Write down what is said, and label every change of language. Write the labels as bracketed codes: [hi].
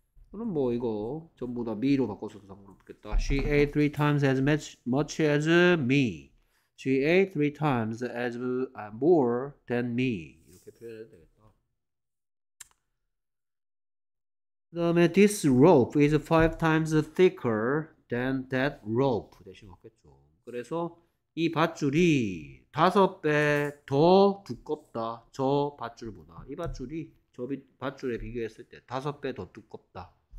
[ko] 그럼 뭐 이거 전부 다 me로 바꿔서도 상관없겠다. [en] She ate three times as much as me. She ate three times as more than me. [ko] 이렇게 표현해도 되겠다. 그다음에 [en] this rope is five times thicker than that rope [ko] 대신 왔겠죠. 그래서 이 밧줄이 다섯 배더 두껍다. 저 밧줄보다 이 밧줄이 저 밧줄에 비교했을 때 다섯 배더 두껍다.